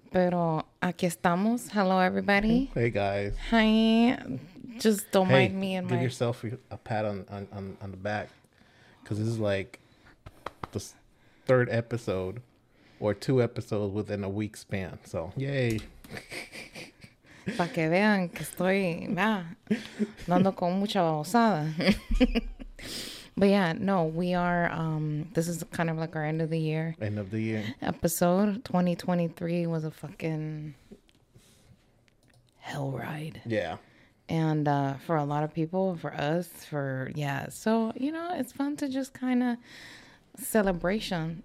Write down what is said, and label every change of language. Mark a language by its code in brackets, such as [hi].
[es] Pero aquí estamos. [en] Hello, everybody. Hey, guys. Hi. Just don't mind me. And give yourself a pat on the back, because this is like the third episode or two episodes within a week span. So, yay. [es] Para que vean que estoy, dando con mucha babosada. [en] But yeah, no, we are, this is kind of like our end of the year. End of the year. Episode 2023 was a fucking hell ride. Yeah. And for a lot of people, for us, for, yeah. So, you know, it's fun to just kind of celebration.